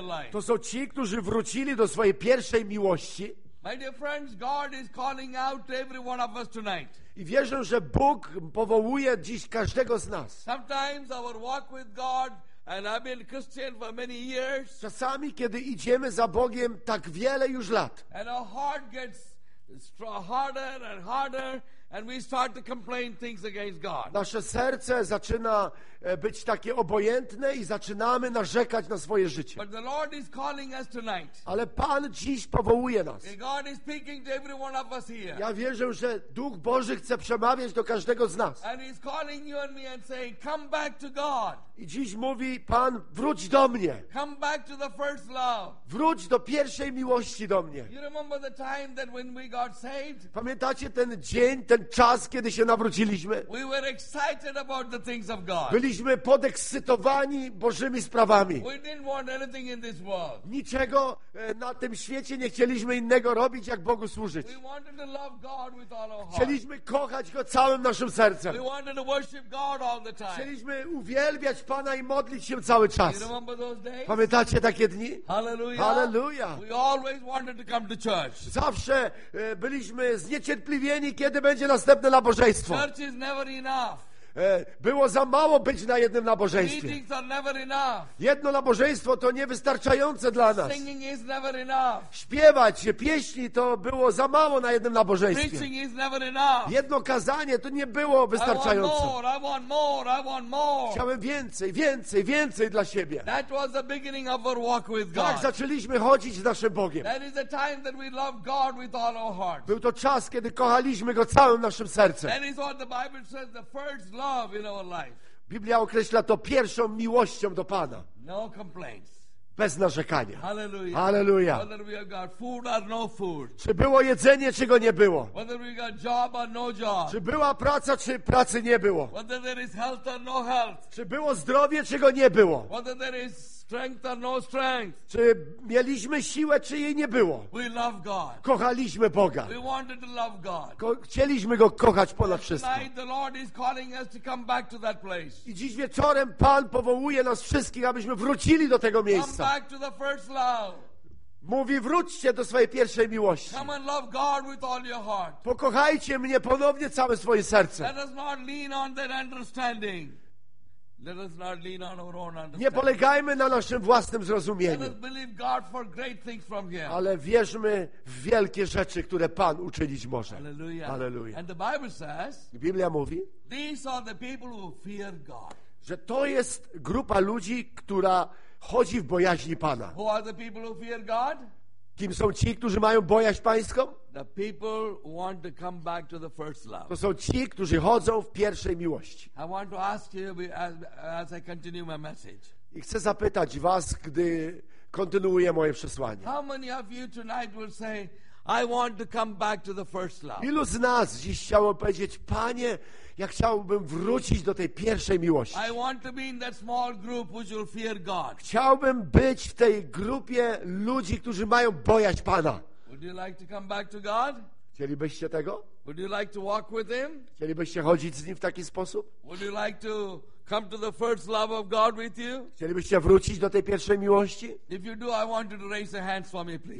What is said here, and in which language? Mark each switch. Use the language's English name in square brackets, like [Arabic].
[Polish] To są ci, którzy wrócili do swojej pierwszej miłości. [English] My dear friends, God is calling out to every one of us tonight. [Polish] I wierzę, że Bóg powołuje dziś każdego z nas. [English] Sometimes our walk with God, and I've been Christian for many years. [Polish] Czasami, kiedy idziemy za Bogiem tak wiele już lat. [English] And our heart gets harder and harder. And we start to complain things against God. [Polish] Nasze serce zaczyna być takie obojętne i zaczynamy narzekać na swoje życie. [English] But the Lord is calling us tonight. [Polish] Ale Pan dziś powołuje nas. [English] God is speaking to every one of us here. [Polish] Ja wierzę, że Duch Boży chce przemawiać do każdego z nas. [English] And he's calling you and me and saying, come back to God. [Polish] I dziś mówi Pan, wróć do mnie. [English] Come back to the first love. [Polish] Wróć do pierwszej miłości do mnie. [English] You remember the time that when we got saved? [Polish] Pamiętacie ten dzień, ten czas, kiedy się nawróciliśmy. [English] We were excited about the things of God. [Polish] Byliśmy podekscytowani Bożymi sprawami. [English] We didn't want anything in this world. [Polish] Niczego na tym świecie nie chcieliśmy innego robić, jak Bogu służyć. [English] We wanted to love God with all our heart. [Polish] Chcieliśmy kochać Go całym naszym sercem. [English] We wanted to worship God all the time. [Polish] Chcieliśmy uwielbiać Pana i modlić się cały czas. [English] You remember those days? [Polish] Pamiętacie takie dni? Hallelujah. Hallelujah. [English] We always wanted to come to church. [Polish] Zawsze byliśmy zniecierpliwieni, kiedy będzie następne nabożeństwo. [English] Church is never enough. [Polish] Było za mało być na jednym nabożeństwie. Jedno nabożeństwo to niewystarczające dla nas. [English] Singing is never enough. [Polish] Śpiewać, pieśni to było za mało na jednym nabożeństwie. [English] Preaching is never enough. [Polish] Jedno kazanie to nie było wystarczające. [English] I want more, I want more, I want more. [Polish] Więcej, więcej, więcej dla siebie. [English] That was the beginning of our walk with God. [Polish] Tak zaczęliśmy chodzić z naszym Bogiem. [English] That is the time that we love God with all our heart. [Polish] Był to czas, kiedy kochaliśmy Go całym naszym sercem. [English] That is what the Bible says, the first love in our life. [Polish] Biblia określa to pierwszą miłością do Pana. [English] No complaints. [Polish] Bez narzekania. Hallelujah. Hallelujah. [English] Whether we got food or no food. [Polish] Czy było jedzenie, czy go nie było? [English] Whether we got job or no job. [Polish] Czy była praca, czy pracy nie było? [English] Whether there is health or no health. [Polish] Czy było zdrowie, czy go nie było? [English] Whether there is strength or no strength. [Polish] Czy mieliśmy siłę, czy jej nie było? [English] We love God. [Polish] Kochaliśmy Boga. [English] We wanted to love God. [Polish] Chcieliśmy Go kochać ponad wszystko. [English] Tonight the Lord is calling us to come back to that place. [Polish] I dziś wieczorem Pan powołuje nas wszystkich, abyśmy wrócili do tego miejsca. [English] Come back to the first love. [Polish] Mówi, wróćcie do swojej pierwszej miłości. [English] Come and love God with all your heart. [Polish] Pokochajcie mnie ponownie całe swoje serce. [English] Let us not lean on that understanding. Let us not lean on our own understanding. [Polish] Nie polegajmy na naszym własnym zrozumieniu. [English] Let us believe God for great things from here. [Polish] Ale wierzmy w wielkie rzeczy, które Pan uczynić może. Hallelujah. Hallelujah. [English] And the Bible says, [Polish] Biblia mówi, [English] these are the people who fear God. [Polish] Że to jest grupa ludzi, która chodzi w bojaźni Pana. [English] Who are the people who fear God? [Polish] Kim są ci, którzy mają bojaźń pańską? [English] The people want to come back to the first love. [Polish] To są ci, którzy chodzą w pierwszej miłości. [English] I want to ask you as I continue my message. [Polish] I chcę zapytać was, gdy kontynuuję moje przesłanie. [English] How many of you tonight will say, I want to come back to the first love? [Polish] Ilu z nas dziś chciało powiedzieć, Panie, ja chciałbym wrócić do tej pierwszej miłości. [English] I want to be in that small group which will fear God. [Polish] Chciałbym być w tej grupie ludzi, którzy mają bojać Pana. [English] Would you like to come back to God? [Polish] Chcielibyście tego? [English] Would you like to walk with Him? [Polish] Chcielibyście chodzić z Nim w taki sposób? [English] Would you like to come to the first love of God with you? [Polish] Chcielibyście wrócić do tej pierwszej miłości? [English] If you do, I want you to raise your hands for me, please.